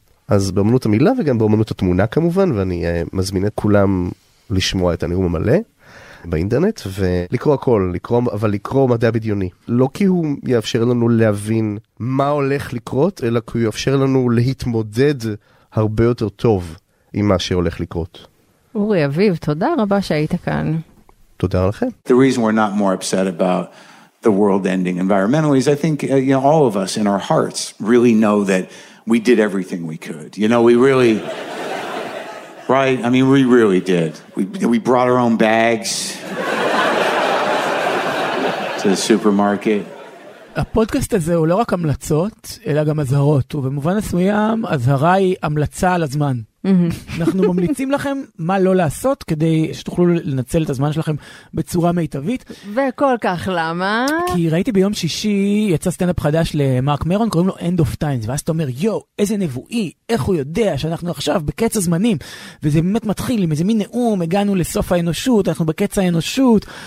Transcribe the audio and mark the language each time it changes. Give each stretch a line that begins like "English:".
Hebrew: אז באמנות המילה וגם באמנות התמונה כמובן, ואני מזמין את כולם לשמוע את הנאום המלא באינטרנט, ולקרוא הכל, לקרוא, אבל לקרוא מדע בדיוני. לא כי הוא יאפשר לנו להבין מה הולך לקרות, אלא כי הוא יאפשר לנו להתמודד הרבה יותר טוב עם מה שהולך לקרות. אורי אביב, תודה רבה שהיית כאן. תודה לכם.
English: The reason we're not more upset about the world ending environmentally is I think you know, all of us in our hearts really know that we did everything we could. You know, we really... Right? I mean, we really did. We brought our own bags to the supermarket.
Hebrew: הפודקאסט הזה הוא לא רק המלצות, אלא גם אזהרות, ובמובן מסוים, אזהרה היא המלצה על הזמן. אנחנו ממליצים לכם מה לא לעשות כדי שתוכלו לנצל את הזמן שלכם בצורה מיטבית. וכל כך למה? כי ראיתי ביום שישי יצא סטנדאפ חדש למרק מרון, קוראים לו End of Times, ואז אתה אומר, יו, איזה נבואי, איך הוא יודע שאנחנו עכשיו בקץ הזמנים, וזה באמת מתחיל עם איזה מין נאום, הגענו לסוף האנושות, אנחנו בקץ האנושות.